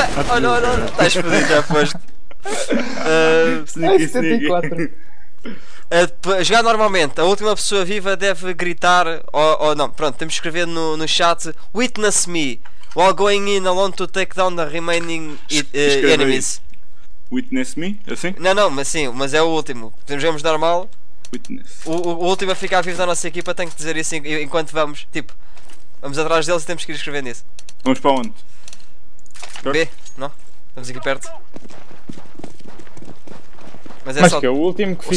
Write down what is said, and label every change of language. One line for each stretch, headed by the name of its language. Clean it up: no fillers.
Portuguese: Olha. Estás fodido, já foste.
English: Sneaky.
Portuguese: Jogar normalmente, a última pessoa viva deve gritar. Ou não, pronto, temos que escrever no chat:
English: Witness me. While going in alone to take down the remaining enemies. Witness me?
Portuguese: Assim? Não, mas sim, mas é o último. Jogamos normal.
English: Witness.
Portuguese: O último a ficar vivo da nossa equipa tem que dizer isso enquanto vamos. Tipo, vamos atrás deles e temos que ir escrever nisso. Vamos para onde? Short? B, não? Estamos aqui perto. Mas é, mas só que é o último que fica.